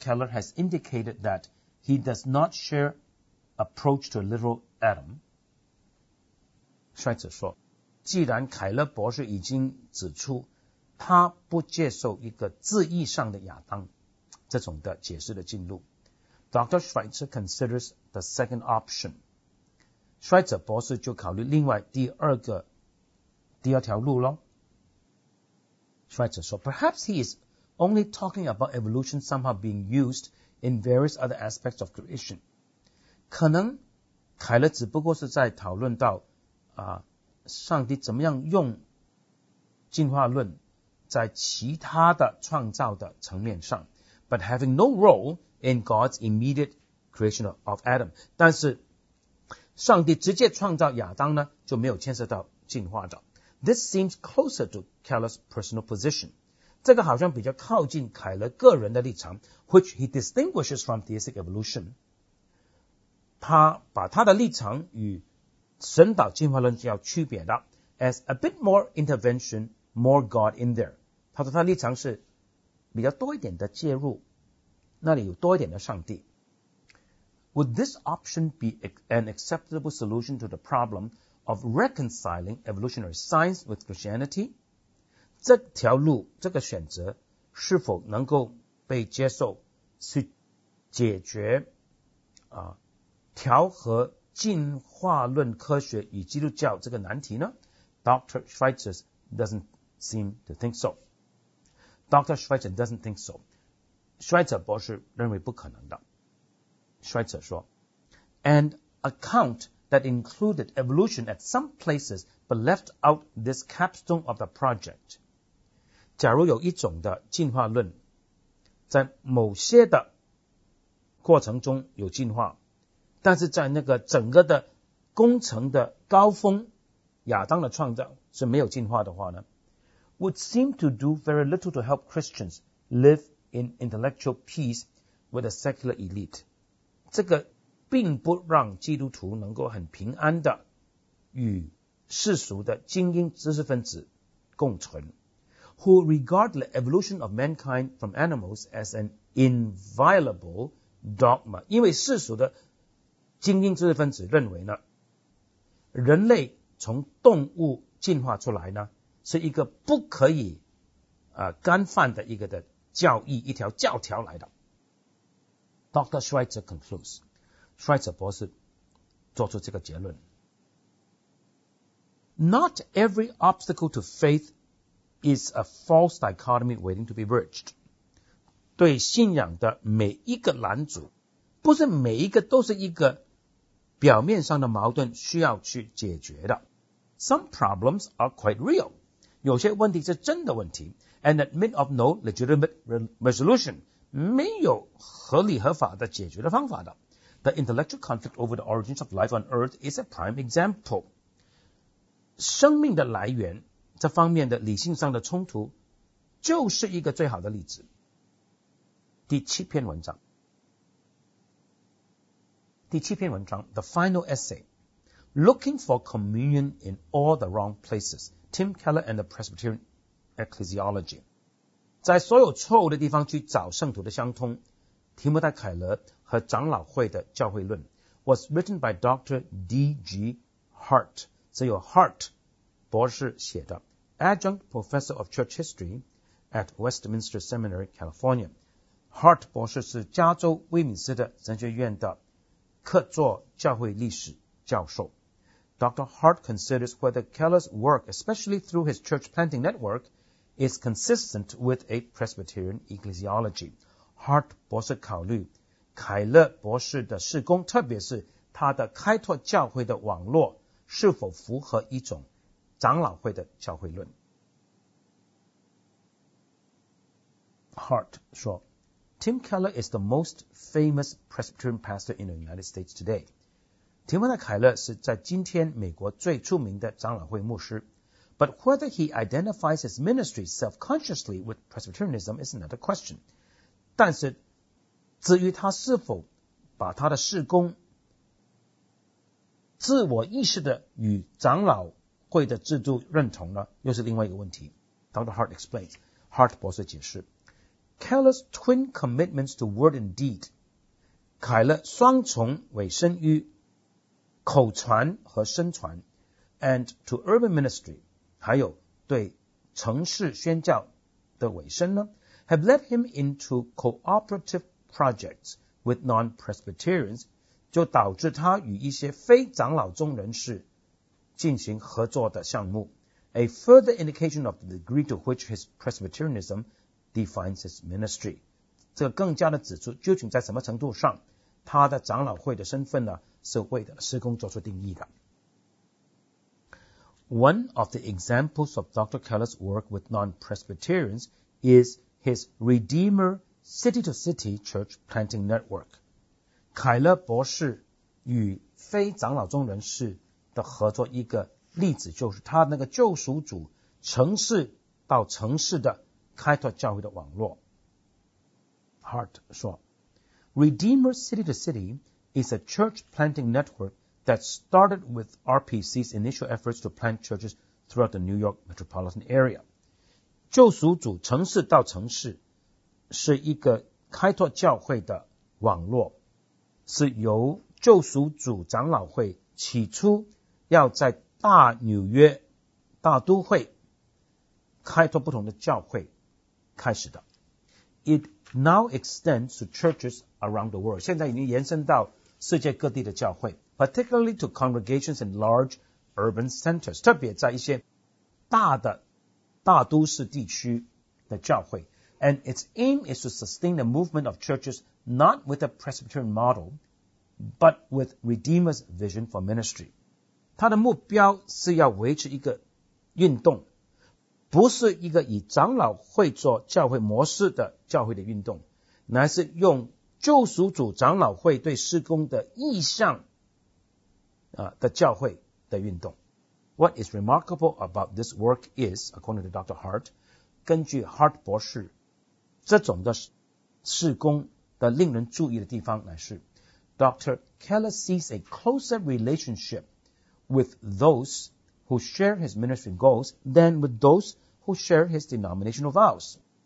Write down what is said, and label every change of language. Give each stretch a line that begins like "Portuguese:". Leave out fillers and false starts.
English: Keller has indicated that he does not share approach to literal Adam,
Chinese: Schweitzer 说，既然凯勒博士已经指出他不接受一个字义上的亚当这种的解释的进入 ,Dr.
English: Schweitzer considers the second option.
Chinese: Schweitzer 博士就考虑另外第二个第二条路咯。
English: Schweitzer 说 ,perhaps he isonly talking about evolution somehow being used in various other aspects of creation.
Chinese: 可能凯勒只不过是在讨论到、上帝怎么样用进化论在其他的创造的层面上
English: but having no role in God's immediate creation of Adam.
Chinese: 但是上帝直接创造亚当呢就没有牵涉到进化的。
English: This seems closer to Keller's personal position.
Chinese: 这个好像比较靠近凯勒个人的立场
English: which he distinguishes from theistic evolution
Chinese: 他把他的立场与神导进化论要区别的
English: as a bit more intervention more God in there
Chinese: 他说他的立场是比较多一点的介入那里有多一点的上帝
English: Would this option be an acceptable solution to the problem of reconciling evolutionary science with Christianity?
Chinese: 这条路这个选择是否能够被接受去解决、调和进化论科学与基督教这个难题呢
English: Dr. Schweitzer doesn't seem to think so. Dr. Schweitzer doesn't think so.
Chinese: Schweitzer 博士认为不可能的。
English: Schweitzer
Chinese: 说
English: An account that included evolution at some places but left out this capstone of the project.
Chinese: 假如有一种的进化论在某些的过程中有进化，但是在那个整个的工程的高峰亚当的创造是没有进化的话呢
English: would seem to do very little to help Christians live in intellectual peace with the secular elite.
Chinese: 这个并不让基督徒能够很平安的与世俗的精英知识分子共存。
English: Who regard the evolution of mankind from animals as an inviolable dogma.
Chinese: 因为世俗的精英知识分子认为呢人类从动物进化出来呢是一个不可以干犯的一个的教义一条教条来的。
English: Dr. Schweitzer concludes.
Chinese: Schweitzer 博士做出这个结论。
English: Not every obstacle to faith is a false dichotomy waiting to be bridged.
Chinese: 对信仰的每一个拦阻不是每一个都是一个表面上的矛盾需要去解决的。
English: Some problems are quite real.
Chinese: 有些问题是真的问题
English: and admit of no legitimate resolution.
Chinese: 没有合理合法的解决的方法的。
English: The intellectual conflict over the origins of life on earth is a prime example.
Chinese: 生命的来源这方面的理性上的冲突就是一个最好的例子。第七篇文章。
English: 第七篇文章 The Final Essay Looking for Communion in All the Wrong Places Tim Keller and the Presbyterian Ecclesiology
Chinese: 在所有错误的地方去找圣徒的相通提摩太凯勒和长老会的教会论
English: was written by Dr. D.G.
Chinese: Hart 只有 Hart 博士写的
English: Adjunct Professor of Church History at Westminster Seminary, California
Chinese: Hart 博士是加州威敏斯特神学院的客座教会历史教授 Dr.
English: Hart considers whether Keller's work, especially through his church planting network, is consistent with a Presbyterian ecclesiology.
Chinese: Hart 博士考虑凯勒博士的事工，特别是他的开拓教会的网络，是否符合一种长老会的教会论。
English: Hart
Chinese: 说
English: Tim Keller is the most famous Presbyterian pastor in the United States today.
Chinese: 提摩太·凯勒是在今天美国最出名的长老会牧师。
English: But whether he identifies his ministry self-consciously with Presbyterianism is another question.
Chinese: 但是至于他是否把他的事工自我意识的与长老会的制度认同呢又是另外一个问题。
English: Dr. Hart explains. Hart
Chinese: 博士解释。
English: Keller's twin commitments to word and deed,
Chinese: 凯勒双重委身于口传和身传
English: and to urban ministry,
Chinese: 还有对城市宣教的委身呢
English: have led him into cooperative projects with non-Presbyterians,
Chinese: 就导致他与一些非长老宗人士进行合作的项目
English: a further indication of the degree to which his Presbyterianism defines his ministry.
Chinese: 这个更加的指出究竟在什么程度上他的长老会的身份呢是为了施工做出定义的。
English: One of the examples of Dr. Keller's work with non-Presbyterians is his Redeemer City-to-City Church Planting Network.
Chinese: 凯勒博士与非长老宗人士的合作一个例子就是他那个救赎主城市到城市的开拓教会的网络。
English: Hart
Chinese: 说
English: Redeemer City to City is a church planting network that started with RPC's initial efforts to plant churches throughout the New York metropolitan area.
Chinese: 救赎主城市到城市是一个开拓教会的网络是由救赎主长老会起初要在大纽约大都会开拓不同的教会开始的
English: It now extends to churches around the world.
Chinese: 现在已经延伸到世界各地的教会 particularly to congregations in large urban centers, 特别在一些大的大都市地区的教会。
English: And its aim is to sustain the movement of churches not with a Presbyterian model, but with Redeemer's vision for ministry.
Chinese: 它的目标是要维持一个运动，不是一个以长老会做教会模式的教会的运动，乃是用救赎主长老会对施工的意向的教会的运动。
English: What is remarkable about this work is, according to Dr. Hart,
Chinese: 根据 Hart 博士，这种的事工的令人注意的地方乃是 Dr.
English: Keller sees a closer relationship with those who share his ministry goals than with those who share his denominational vows.